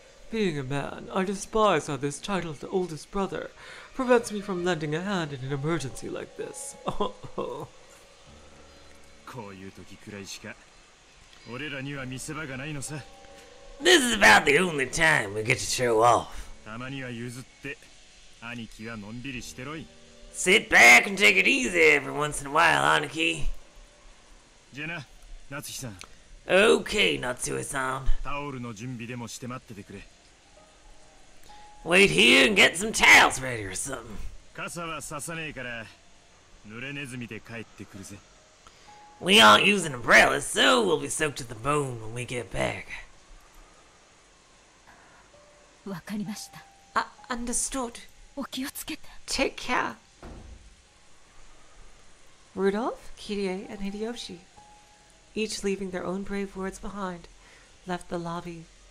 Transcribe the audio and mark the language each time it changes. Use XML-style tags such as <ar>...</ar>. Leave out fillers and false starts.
<en>Being a man, I despise how this title of the oldest brother prevents me from lending a hand in an emergency like this.</en> <ja>こういう時くらいしか。俺らには見せ場がないのさ。</ja> <en>This is about the only time we get to show off.</en> <ja>たまには譲って、兄貴はのんびりしてろい。</ja> <en>Sit back and take it easy every once in a while, 兄貴。</en> <ja>じゃな、夏希さん。</ja> <en>Okay, 夏希さん。</en> <ja>タオルの準備でもして待っててくれ。</ja> <en>Wait here and get some towels ready or something.</en> <ja>傘はささねえから、濡れネズミで帰ってくるぜ。</ja> <en>We aren't using umbrellas, so we'll be soaked to the bone when we get back.</en> <ja>わかりました。</ja> <en>Understood.</en> <ja>お気をつけて。</ja> <en>Take care. Rudolph, Kirie, and Hideyoshi, each leaving their own brave words behind, left the lobby.</en>